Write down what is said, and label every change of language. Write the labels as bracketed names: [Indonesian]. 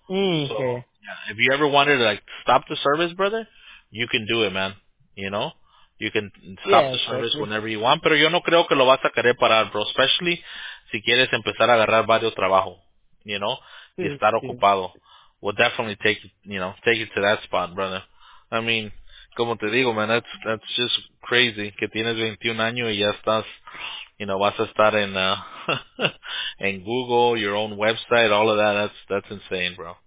[English] If you ever wanted to like stop the service, brother, you can do it, man. You know? You can stop the service whenever you want. [Spanish] Pero yo no creo que lo vas a querer parar, bro. Especially si quieres empezar a agarrar varios trabajos. [English] You know? [Spanish] Y estar ocupado. [English] We'll definitely take it to that spot, brother. I mean, [Spanish] como te digo, [English] man, that's just crazy [Spanish] que tienes 21 años y ya estás, [English] you know, [Spanish] vas a estar en en Google, [English] your own website, all of that. That's insane, bro.